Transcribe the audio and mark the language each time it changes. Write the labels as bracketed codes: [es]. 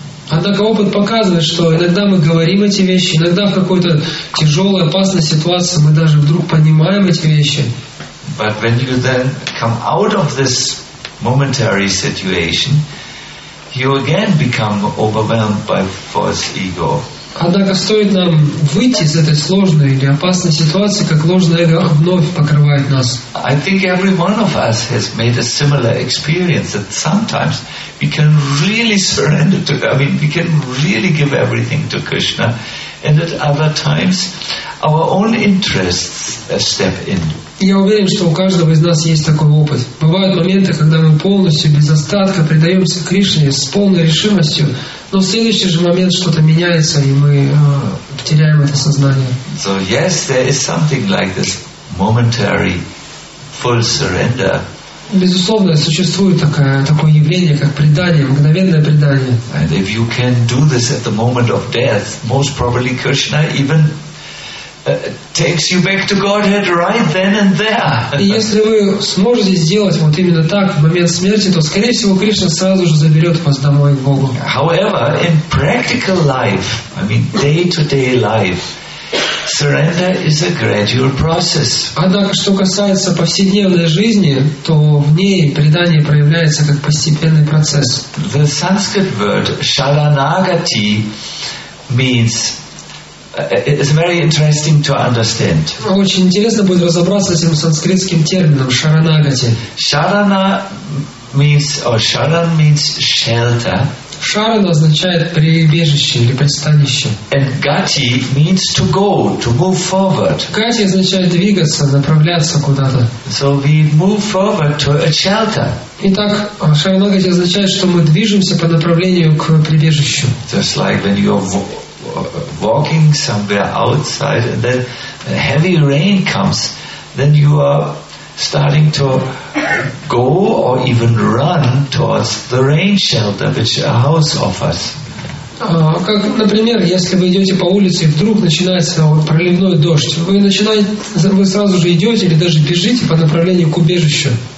[ru] Однако опыт показывает, что иногда мы говорим эти вещи, иногда в какой-то тяжелой, опасной ситуации мы даже вдруг понимаем эти вещи. [en] But when you then come out of this momentary situation, you again become overwhelmed by false ego. [ru] Однако стоит нам выйти из этой сложной или опасной ситуации, как ложное эго вновь покрывает нас. [en] I think every one of us has made a similar experience that sometimes we can really surrender to, I mean, we can really give everything to Krishna, and at other times our own interests step in. [ru] Я уверен, что у каждого из нас есть такой опыт. Бывают моменты, когда мы полностью, без остатка, предаемся Кришне с полной решимостью, но в следующий же момент что-то меняется, и мы теряем это сознание. [en] So, yes, there is something like this momentary full surrender. [ru] Безусловно, существует такое явление, как предание, мгновенное предание. [en] And if you can do this at the moment of death, most probably Krishna even takes you back to Godhead right then and there. [ru] И если вы сможете сделать вот именно так в момент смерти, то, скорее всего, Кришна сразу же заберет вас домой к Богу. [en] However, in practical life, I mean, day-to-day life, Surrender is a gradual process. [ru] Однако, что касается повседневной жизни, то в ней предание проявляется как постепенный процесс. [en] The Sanskrit word shalanagati means it's very interesting to understand. [ru] Очень интересно будет разобраться с этим санскритским термином шаранагати. Шарана means or sharan means shelter. Шарана означает прибежище или пристанище. [en] And gati means to go, to move forward. [ru] Гати означает двигаться, направляться куда-то. [en] So we move forward to a shelter. [ru] Итак, шаранагати означает, что мы движемся по направлению к прибежищу. [en] Just like when you're walking somewhere outside and then a heavy rain comes, then you are starting to go or even run towards the rain shelter which a house offers. [ru] Как, например, если вы идете по улице и вдруг начинается проливной дождь, вы сразу же идете или даже бежите по направлению к убежищу.